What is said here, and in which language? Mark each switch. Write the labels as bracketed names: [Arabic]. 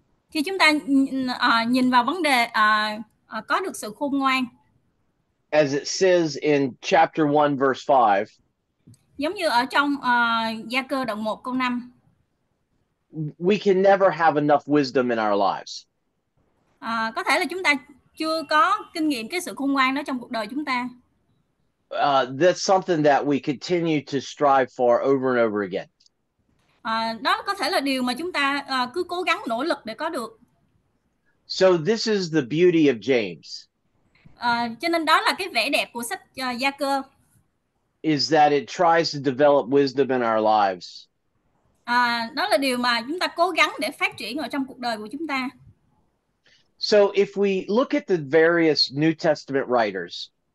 [Vietnamese] Khi chúng ta nhìn vào vấn đề có được sự khôn ngoan, [English] as it says in chapter 1, verse 5, [Vietnamese] giống như ở trong Gia Cơ đoạn 1 câu 5. [English] we can never have enough wisdom in our lives. [Vietnamese] Có thể là chúng ta chưa có kinh nghiệm cái sự khôn ngoan đó trong cuộc đời chúng ta. [English] That's something that we continue to strive for over and over again. [Vietnamese] Đó có thể là điều mà chúng ta cứ cố gắng nỗ lực để có được. [English] So this is the beauty of James. [Vietnamese] Cho nên đó là cái vẻ đẹp của sách Gia Cơ. [English] Is that it tries to develop wisdom in our lives. [Vietnamese] Đó là điều mà chúng ta cố gắng để phát triển ở trong cuộc đời của chúng ta. [English] So if we look at the various New Testament writers,